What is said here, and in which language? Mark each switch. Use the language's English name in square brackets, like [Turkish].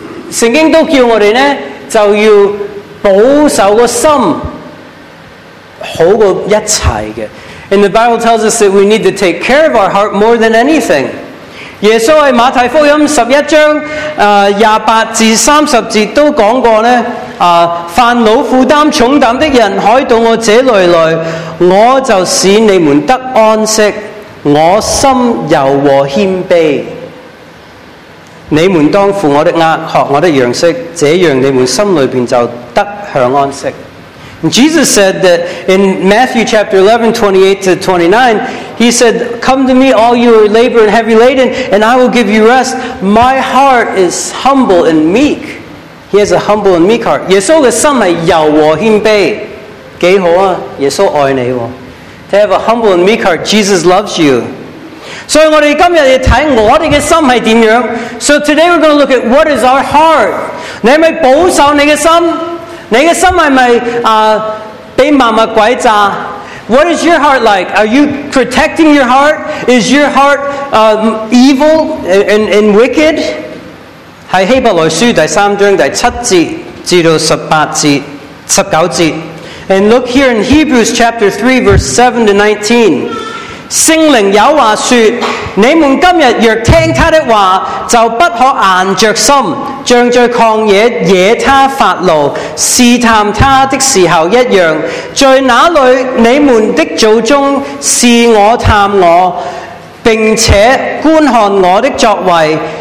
[Chinese] 圣经都叫我们呢就要保守个心好过一切的。 [English] And the Bible tells us that we need to take care of our heart more than anything. [Chinese] 耶稣在马太福音11章28至30节都讲过呢烦恼负担重担的人可以到我这里来我就使你们得安息我心柔和谦卑 [English] 你们当负我的轭学我的样式这样你们心里面就得享安息 Jesus said that in Matthew chapter 11:28-29 He said come to me all you are labor and heavy laden and I will give you rest my heart is humble and meekHe has a humble and meek heart. [Chinese] 耶稣的心是柔和谦卑，几好啊！耶稣爱你。 [English] To have a humble and meek heart, Jesus loves you. [Chinese] 所以我们今天要看我们的心是怎样。 [English] So today we're going to look at what is our heart. [Chinese] 你是不是保守你的心？你的心是不是被万物诡诈？ [English] What is your heart like? Are you protecting your heart? Is your heart evil and wicked? [Chinese] 在希伯来书第三章第七节至到十八节十九节 And look here in Hebrews chapter 3 verse 7-19 圣灵有话说你们今日若听他的话就不可硬着心像在旷野惹他发怒试探他的时候一样在那里你们的祖宗试我探我并且观看我的作为